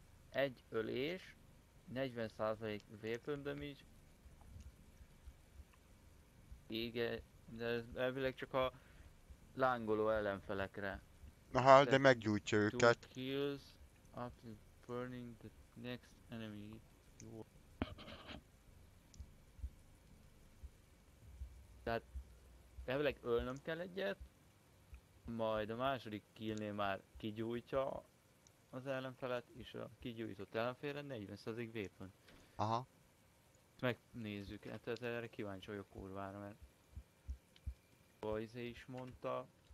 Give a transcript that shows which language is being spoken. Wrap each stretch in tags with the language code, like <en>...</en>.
<hu>Egy ölés, 40% weapon damage. Igen, de ez elvileg csak a... Lángoló ellenfelekre. Na hát, de meggyújtja őket.</hu> <en>Two kills after burning the next enemy.</en> <hu>Tehát, elvileg ölnöm kell egyet, majd a második killnél már kigyújtja az ellenfelet, és a kigyújtott ellenfélre 40% weapon. Aha. Megnézzük, tehát erre kíváncsi vagyok kurvára, mert... Boyze is mondta.</hu>